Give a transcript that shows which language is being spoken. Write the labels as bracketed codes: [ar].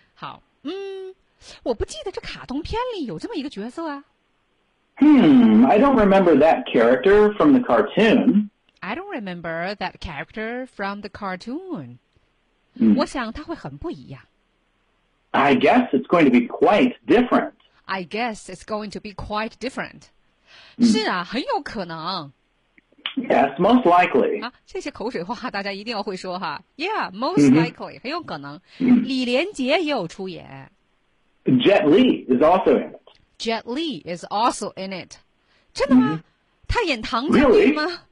[zh] 好，我不记得这卡通片里有这么一个角色啊。 [en] I don't remember that character from the cartoon. I don't remember that character from the cartoon. [zh] 我想它会很不一样。 [en] I guess it's going to be quite different. I guess it's going to be quite different. [zh] 是啊，很有可能。 [en] Yes, most likely. [zh] 啊，这些口水话大家一定要会说哈。 [en] Yeah, most likely, [zh] 很有可能。李连杰也有出演。 [en] Jet Li is also in it. Jet Li is also in it. [zh] 真的吗？他演唐将军吗？